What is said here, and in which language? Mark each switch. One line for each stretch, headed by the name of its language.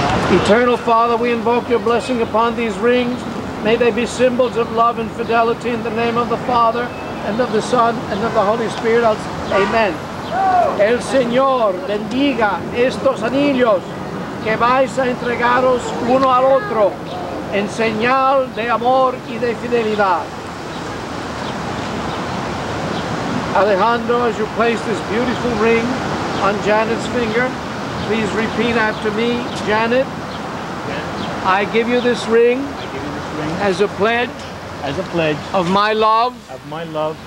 English: Eternal Father, we invoke your blessing upon these rings. May they be symbols of love and fidelity in the name of the Father, and of the Son, and of the Holy Spirit. Amen. Woo!
Spanish: El Señor bendiga estos anillos que vais a entregaros uno al otro en señal de amor y de fidelidad.
English: Alejandro, as you place this beautiful ring on Janet's finger, please repeat after me. Janet, I give you this ring as a pledge. As a pledge of my love, of my love,